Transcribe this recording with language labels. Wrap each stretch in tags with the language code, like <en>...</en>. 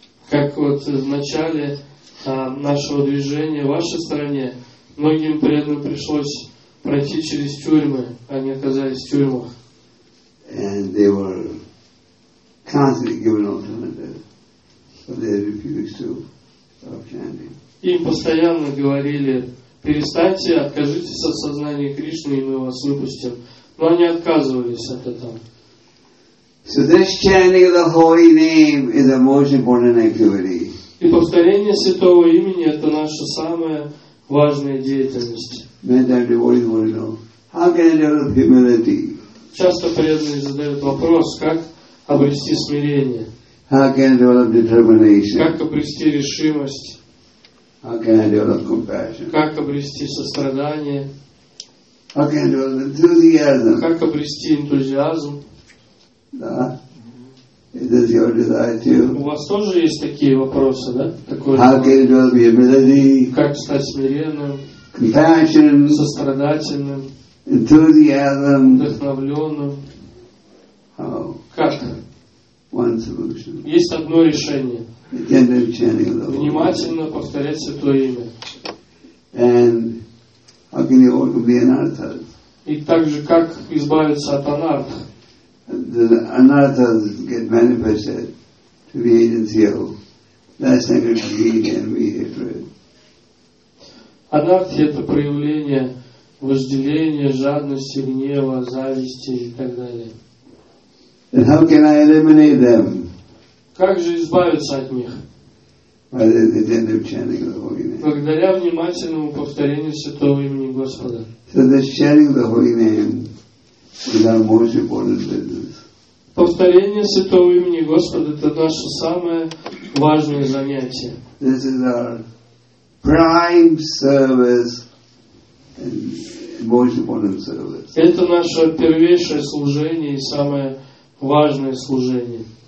<ru>Как вот в начале нашего движения, в вашей стране, многим преданным пришлось пройти через тюрьмы, они оказались в тюрьмах.</ru> <en>And they were constantly given alternatives, but they refused to stop chanting.</en> <ru>Им постоянно говорили: перестаньте, откажитесь от сознания Кришны, и мы вас выпустим. Но они отказывались от этого.</ru> <en>So this chanting of the holy name is the most important activity.</en> <ru>И повторение святого имени — это наша самая важная деятельность.</ru> <en>Many times devotees want to know, how can I develop humility?</en> <ru>Часто преданные задают вопрос, как обрести смирение?</ru> <en>How can I develop determination?</en> <ru>Как обрести решимость?</ru> <en>How can I develop compassion?</en> <ru>Как обрести сострадание?</ru> <en>How can I develop enthusiasm?</en> <ru>Как обрести энтузиазм? Да.</ru> <en>Is this your desire too?</en> <ru>У вас тоже есть такие вопросы, да? Такой,</ru> <en>how can I develop humility?</en> <ru>Как стать смиренным?</ru> <en>Compassion.</en> <ru>Сострадательным.</ru> <en>Enthusiasm.</en> <ru>Вдохновленным.</ru> <en>How?</en> <ru>Как?</ru> <en>One solution.</en> <ru>Есть одно решение. Внимательно повторять святое имя.</ru> <en>And how can you overcome the anarthas?</en> <ru>И также, как избавиться от анарт?</ru> <en>The anarthas get manifested to the agency of lust, anger, greed, envy, hatred.</en> <ru>Анартхи — это проявление вожделения, жадности, гнева, зависти и так далее.</ru> <en>And how can I eliminate them?</en> <ru>Как же избавиться от них?</ru> <en>By the attentive chanting of the holy name.</en> <ru>Благодаря внимательному повторению святого имени Господа.</ru> <en>So the chanting of the holy name is our most important business.</en> <ru>Повторение святого имени Господа — это наше самое важное занятие.</ru> <en>This is our prime service. And most important service.</en> <ru>Это наше первейшее служение и самое важное служение.</ru>